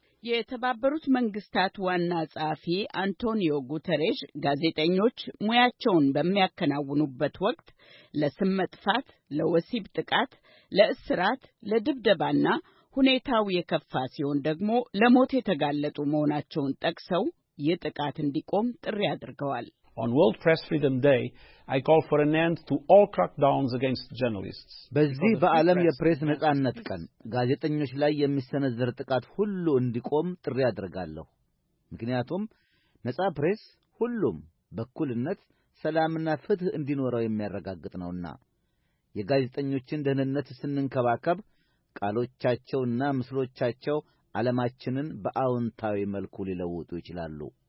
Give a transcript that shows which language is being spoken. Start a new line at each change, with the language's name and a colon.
Amharic: የተባበሩት መንግስታት ዋና ጸሐፊ አንቶኒዮ ጉተሬሽ ጋዜጠኞች ሙያቸውን በሚያከናውኑበት ወቅት ለስም መጥፋት፣ ለወሲብ ጥቃት፣ ለእስራት፣ ለድብደባና ሁኔታው የከፋ ሲሆን ደግሞ ለሞት የተጋለጡ መሆናቸውን ጠቅሰው የጥቃት እንዲቆም ጥሪ አድርገዋል።
English: On World Press Freedom Day, I call for an end to all crackdowns against journalists.
Amharic: በዚህ በዓለም የፕሬስ ነጻነት ቀን ጋዜጠኞች ላይ የሚሰነዘር ጥቃት ሁሉ እንዲቆም ጥሪ አድርጋለሁ። ምክንያቱም ነጻ ፕሬስ ሁሉም በእኩልነት ሰላምና ፍትህ እንዲኖረው የሚያረጋግጥ ነውና የጋዜጠኞችን ደህንነት ስንንከባከብ ቃሎቻቸውና ምስሎቻቸው ዓለማችንን በአውንታዊ መልኩ ሊለውጡ ይችላሉ።